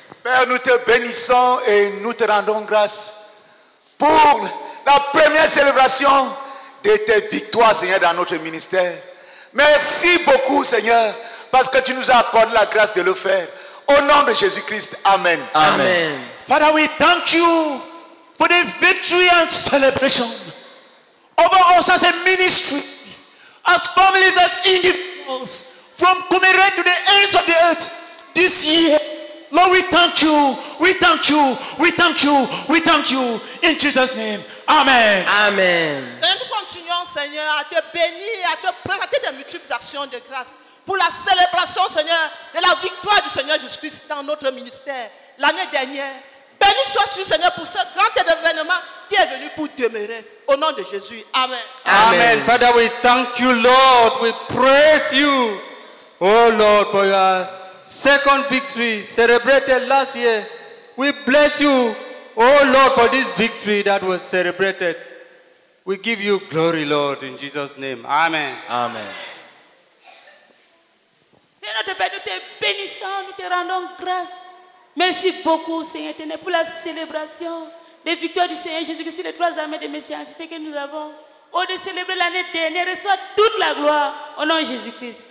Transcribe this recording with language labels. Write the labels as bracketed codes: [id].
[fr] Père, nous te bénissons et nous te rendons grâce pour la première célébration de tes victoires Seigneur dans notre ministère. Merci beaucoup Seigneur parce que tu nous as accordé la grâce de le faire. Au nom de Jésus-Christ, amen. Amen. [en] Father, we thank you for the victory and celebration over us as a ministry, as families, as individuals, from Kumere to the ends of the earth this year. Lord, we thank you. We thank you. We thank you. We thank you. In Jesus' name, amen. Amen. [fr] Seigneur, nous continuons, Seigneur, à te bénir, à te présenter des multiples actions de grâce. Pour la célébration, Seigneur, de la victoire du Seigneur Jésus-Christ dans notre ministère l'année dernière. Béni sois-tu, Seigneur, pour ce grand événement qui est venu pour demeurer. Au nom de Jésus. Amen. [en] Amen. Amen. Father, we thank you, Lord. We praise you. Oh, Lord, for your second victory celebrated last year. We bless you, oh, Lord, for this victory that was celebrated. We give you glory, Lord, in Jesus' name. Amen. Amen. [fr] Seigneur, nous te bénissons, nous te rendons grâce. Merci beaucoup, Seigneur, Éternel, pour la célébration des victoires du Seigneur Jésus-Christ sur les 3 armées de messianité que nous avons. Oh, de célébrer l'année dernière, reçois toute la gloire au nom de Jésus-Christ.